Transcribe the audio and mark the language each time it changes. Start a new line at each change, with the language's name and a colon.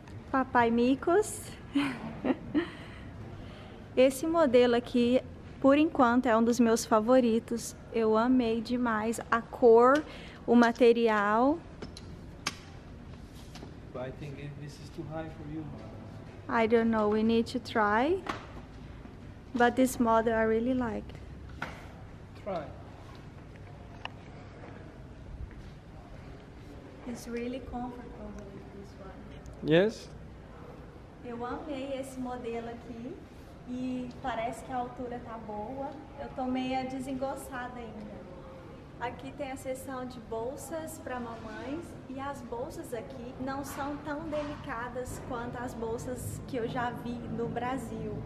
Portuguese: Papai Mikus, esse modelo aqui, por enquanto, é um dos meus favoritos. Eu amei demais a cor, o material.
English: I think this is too high for you. I don't know, we need to try. But this model I really like. Try. It's really comfortable, this one. Yes?
Portuguese: Eu amei esse modelo aqui e parece que a altura tá boa. Eu tô meio desengonçada ainda. Aqui tem a seção de bolsas para mamães e as bolsas aqui não são tão delicadas quanto as bolsas que eu já vi no Brasil.